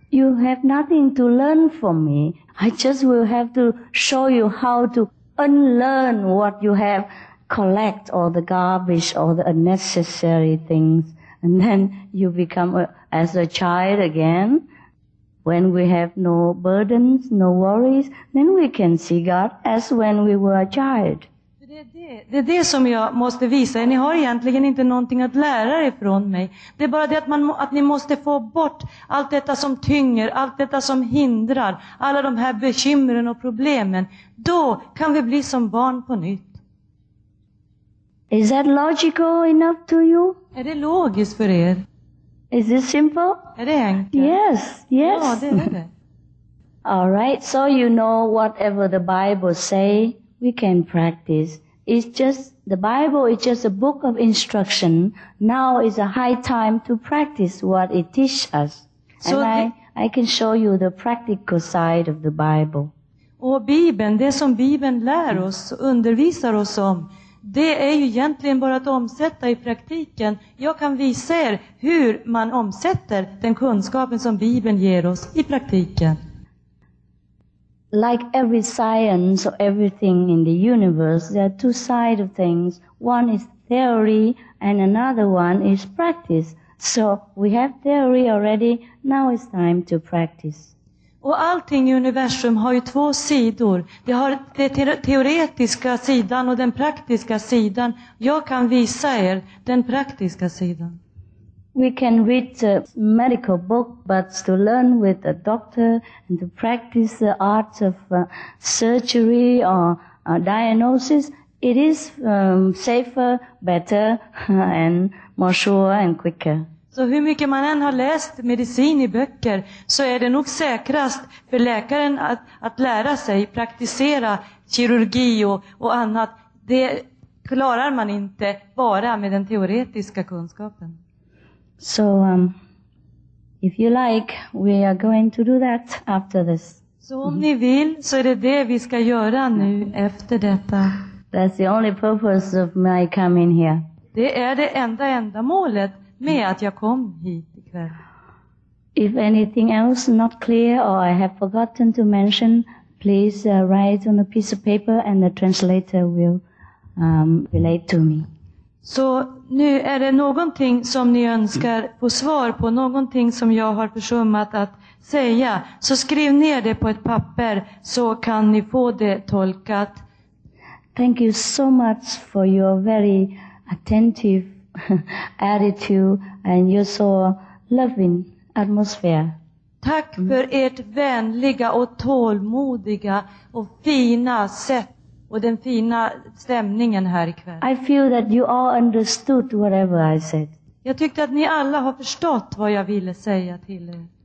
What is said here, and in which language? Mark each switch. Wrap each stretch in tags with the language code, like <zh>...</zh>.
<en>You have nothing to learn from me. I just will have to show you how to unlearn what you have, collect all the garbage, all the unnecessary things, and then you become as a child again. When we have no burdens, no worries, then we can see God as when we were a child.</en> <sv>Det är det som jag måste visa. Ni har egentligen inte någonting att lära ifrån mig. Det är bara det att ni måste få bort allt detta som tynger, allt detta som hindrar, alla de här bekymren och problemen. Då kan vi bli som barn på nytt.</sv> <en>Is that logical enough to you?</en> <sv>Är det logiskt för er?</sv> <en>Is this simple?</en> <sv>Är det enkelt?</sv> <en>Yes, yes.</en> <sv>Ja, det är det.</sv> <en>All right, so you know whatever the Bible say, we can practice. It's just, the Bible is just a book of instruction. Now is a high time to practice what it teaches us. So and I can show you the practical side of the Bible.</en> <sv>Och Bibeln, det som Bibeln lär oss och undervisar oss om, det är ju egentligen bara att omsätta i praktiken. Jag kan visa er hur man omsätter den kunskapen som Bibeln ger oss i praktiken.</sv> <en>Like every science or everything in the universe, there are two sides of things. One is theory and another one is practice. So we have theory already, now it's time to practice.</en> <sv>Och allting i universum har ju två sidor. Det har den teoretiska sidan och den praktiska sidan. Jag kan visa er den praktiska sidan.</sv> <en>We can read a medical book, but to learn with a doctor and to practice the art of surgery or diagnosis, it is safer, better and more sure and quicker.</en> <sv>Så Så hur mycket man än har läst medicin i böcker så är det nog säkrast för läkaren att lära sig praktisera kirurgi och annat. Det klarar man inte bara med den teoretiska kunskapen.</sv> <en>So if you like, we are going to do that after this.</en> <sv>Så om ni vill så är det det vi ska göra nu efter detta.</sv> <en>That's the only purpose of my coming here.</en> <sv>Det är det enda målet med att jag kom hit ikväll.</sv> <en>If anything else not clear or I have forgotten to mention, please write on a piece of paper and the translator will relate to me.</en> <sv>Så nu är det någonting som ni önskar få svar på, någonting som jag har försummat att säga, så skriv ner det på ett papper så kan ni få det tolkat.</sv> <en>Thank you so much for your very attentive attitude and your so loving atmosphere.</en> <sv>Tack för ert vänliga och tålmodiga och fina sätt och den fina stämningen här ikväll.</sv> <en>I feel that you all understood whatever I said.</en> <sv>Jag tyckte att ni alla har förstått vad jag ville säga till er.</sv>